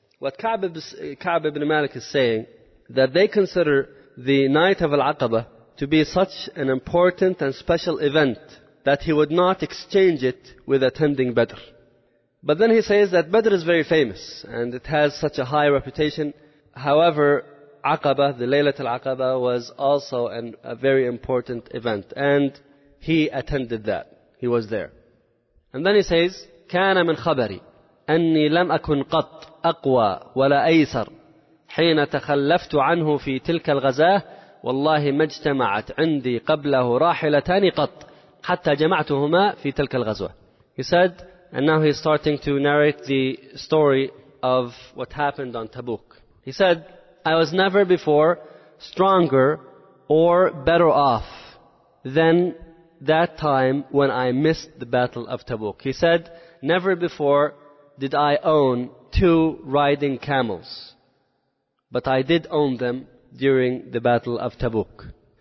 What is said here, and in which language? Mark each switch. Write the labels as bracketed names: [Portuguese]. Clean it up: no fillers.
[English] What Ka'b ibn Malik is saying, that they consider the night of Al-Aqaba to be such an important and special event that he would not exchange it with attending Badr. But then he says that Badr is very famous and it has such a high reputation. However, Aqaba, the Laylat al-Aqaba, was also a very important event. And he attended that. He was there. And then he says, [Arabic] كَانَ مِنْ خَبَرِي أَنِّي لَمْ أَكُنْ قَطْ أَقْوَى وَلَا أَيْسَرٌ حِينَ تَخَلَّفْتُ عَنْهُ فِي تِلْكَ الْغَزَاهِ وَاللَّهِ مَجْتَمَعَتْ عِنْدِي قَبْلَهُ رَاحِلَتَانِ قَطْ حَتَّى جَمَعْتُهُمَا فِي تِلْكَ الْغَزَاهِ. [English] He said, and now he's starting to narrate the story of what happened on Tabuk. He said, I was never before stronger or better off than that time when I missed the Battle of Tabuk. He said, never before did I own two riding camels, but I did own them during the Battle of Tabuk.